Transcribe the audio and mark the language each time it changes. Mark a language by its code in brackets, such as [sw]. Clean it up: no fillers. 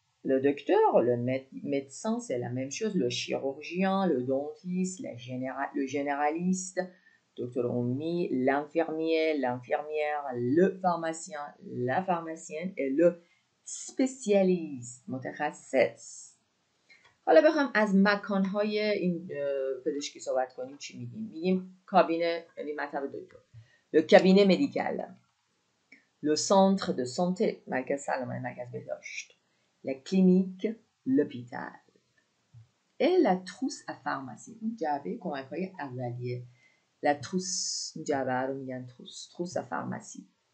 [fr] Le docteur, le médecin, c'est la même chose. Le chirurgien, le dentiste, le généraliste. Docteur Omni, l'infirmier, l'infirmière, le pharmacien, la pharmacienne et le spécialiste. [fa] متخصص. حالا بخوام از مکان های این پزشکی صحبت کنیم چی میگیم؟ میگیم کابینه یعنی مطب دکتر. [fr] Le cabinet médical. Le centre de santé, [fa] مرکز سلامت، مرکز بهداشت. [fr] La clinique, l'hôpital. Et la trousse à pharmacie. [fa] اون جعبه کمک های اولیه. [fr] La trousse, [fa] جعبه رو میگن [fr] trousse, trousse à pharmacie.